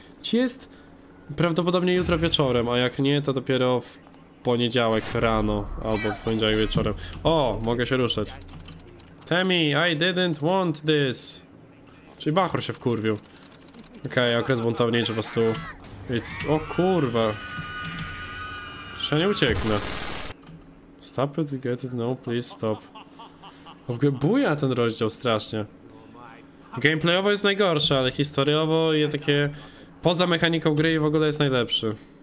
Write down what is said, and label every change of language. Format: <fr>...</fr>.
<pl>Ci jest prawdopodobnie jutro wieczorem, a jak nie, to dopiero w poniedziałek rano. Albo w poniedziałek wieczorem. O, mogę się ruszać. Tammy,</pl> <en>I didn't want this.</en> <pl>Czyli Bachor się wkurwił. Okej, okay, okres buntowniczy po prostu.</pl> <en>It's...</en> <pl>O kurwa. Czy ja nie ucieknę?</pl> <en>Stop it, get it, no, please stop.</en> <pl>O, w ogóle buja ten rozdział strasznie. Gameplayowo jest najgorsze, ale historiowo i takie poza mechaniką gry w ogóle jest najlepszy.</pl>